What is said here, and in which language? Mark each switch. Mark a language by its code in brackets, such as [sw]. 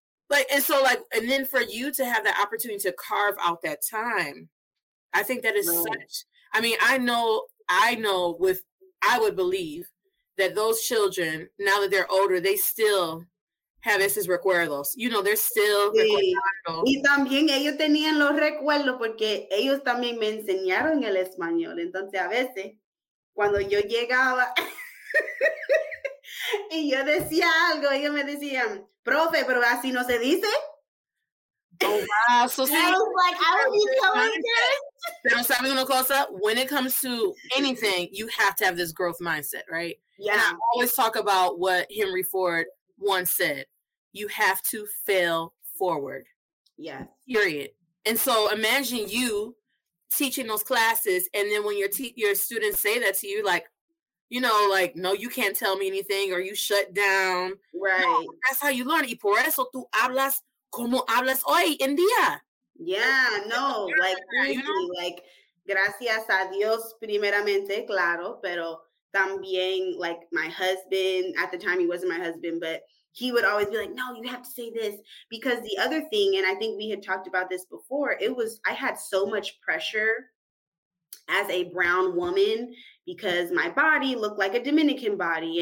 [en] Like, and so like, and then for you to have the opportunity to carve out that time, I think that is right. Such, I mean, I would believe that those children, now that they're older, they still have [es] esos recuerdos. [en] You know, they're still [es] sí. Recuerdos. Y también ellos tenían los recuerdos porque ellos también me enseñaron el español. Entonces, a veces, cuando yo llegaba y yo decía algo, ellos me decían, profe, pero así no se dice. [en] So see, I would be so embarrassed. [es] Pero sabes una cosa? [en] When it comes to anything, you have to have this growth mindset, right? Yeah. And I always talk about what Henry Ford once said. You have to fail forward. Yeah. Period. And so imagine you teaching those classes, and then when your students say that to you, like, you know, like, no, you can't tell me anything, or you shut down. Right. No, that's how you learn. [es] Y por eso tú hablas como hablas hoy en día. [en] Yeah, no, like, crazy, you know? Like, [es] gracias a Dios, primeramente, claro, pero también, [en] like, my husband, at the time he wasn't my husband, but he would always be like, no, you have to say this. Because the other thing, and I think we had talked about this before, it was, I had so much pressure as a brown woman because my body looked like a Dominican body.